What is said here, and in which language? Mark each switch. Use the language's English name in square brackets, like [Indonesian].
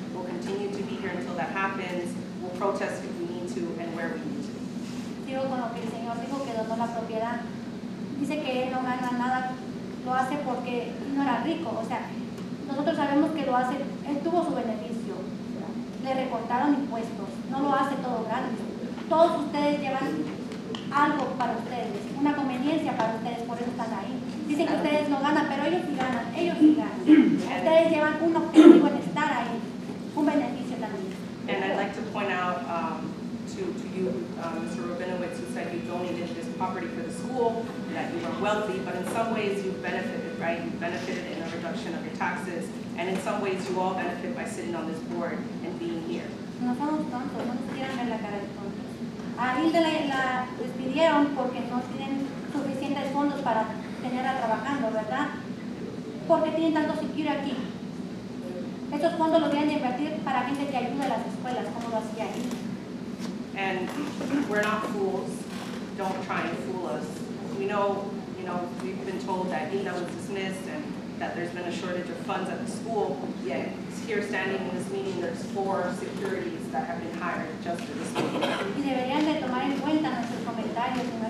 [English] We'll continue to be here until that happens. We'll protest if we need to and where we need to. [Spanish] Sigo con lo que el señor dijo que donó la propiedad. Dice que él no gana nada, lo hace porque no era rico. O sea, nosotros sabemos que lo hace, él tuvo su beneficio. Le recortaron impuestos, no lo hace todo gratis. Todos ustedes llevan algo para ustedes, una conveniencia para ustedes, por eso están ahí. Dicen que ustedes no ganan, pero ellos sí ganan, ellos sí ganan. Ustedes llevan un objetivo en estar ahí, un beneficio también. [English] And I'd like to point out, to you, Mr. Rabinowitz, who said you donated this property for the school, that you are wealthy, but in some ways you've benefited, right? You've benefited in a reduction of your taxes, and in some ways you all benefit by sitting on this board and being here. [Spanish] No somos tontos, no quieran ver la cara de tontos. A Hilda la despidieron porque no tienen suficientes fondos para tenerla trabajando, ¿verdad? Porque tienen tanto security aquí. Estos fondos los deben invertir para gente que ayude a las escuelas, como lo hacía ahí. [English] And we're not fools. Don't try and fool us. We know, you know, we've been told that Hilda was dismissed and that there's been a shortage of funds at the school, yet here standing in this meeting, there's four securities that have been hired just for the school. [Spanish] Y deberían de tomar en cuenta nuestros comentarios.